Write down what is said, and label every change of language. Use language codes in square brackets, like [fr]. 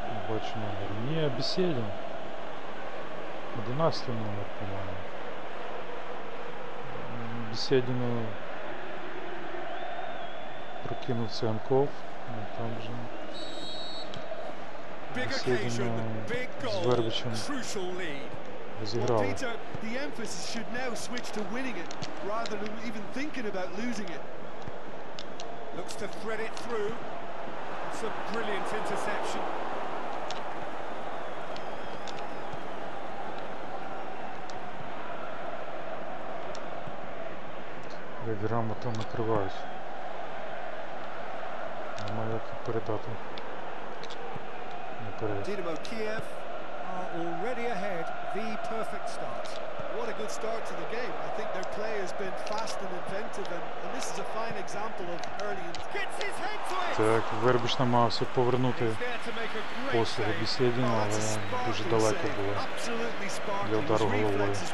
[uk] Бачу номер. Ні, Беседин. 11 номер, по-моєму. Беседину прокинув Цянков. Там же. Беседину з Вербичем розіграли. [en] The emphasis should now switch to winning it rather than even thinking about losing it. Looks to thread it through. It's a brilliant interception. [uk] Грамо там накриваюсь. Нема як передати. [en] Динамо Киев are already ahead. The perfect start. What a good start to the game. I think their play has been fast and inventive, and this is a fine example of early. [uk] Так, Вербиш намагався повернути послуги Беседину, але дуже далеко було для удару головою.